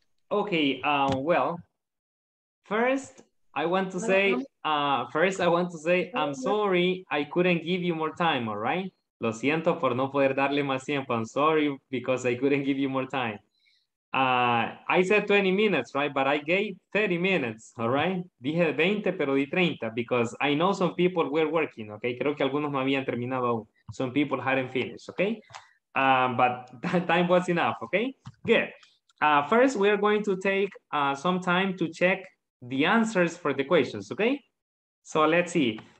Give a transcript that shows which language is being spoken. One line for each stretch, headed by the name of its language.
English: Okay, well, first I want to say, I'm sorry, I couldn't give you more time, all right?
Spanish: Lo siento por no poder darle más tiempo.
English: I'm sorry because I couldn't give you more time. I said 20 minutes, right? But I gave 30 minutes, all right?
Spanish: Dije 20, pero di 30,
English: because I know some people were working, okay?
Spanish: Creo que algunos no habían terminado,
English: some people hadn't finished,
Spanish: okay?
English: But that time was enough, okay? Good. First, we are going to take some time to check the answers for the questions, okay? So let's see.